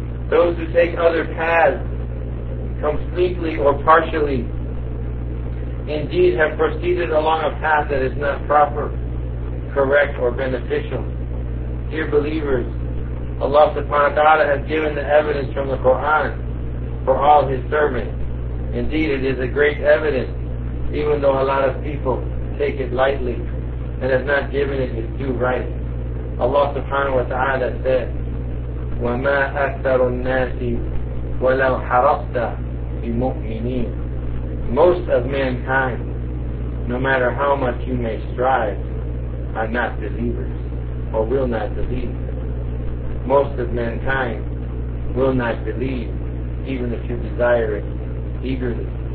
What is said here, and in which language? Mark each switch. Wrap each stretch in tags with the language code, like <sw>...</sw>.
<en>Those who take other paths, completely or partially, indeed have proceeded along a path that is not proper, correct, or beneficial. Dear believers, Allah subhanahu wa ta'ala has given the evidence from the Quran for all His servants. Indeed, it is a great evidence, even though a lot of people take it lightly and has not given it its due right. Allah subhanahu wa ta'ala said,</en> <ar>وَمَا أَكْثَرُ النَّاسِ وَلَوْ حَرَصْتَ بِمُؤْمِنِينَ.</ar> <en>Most of mankind, no matter how much you may strive, are not believers, or will not believe. Most of mankind will not believe, even if you desire it eagerly.</en>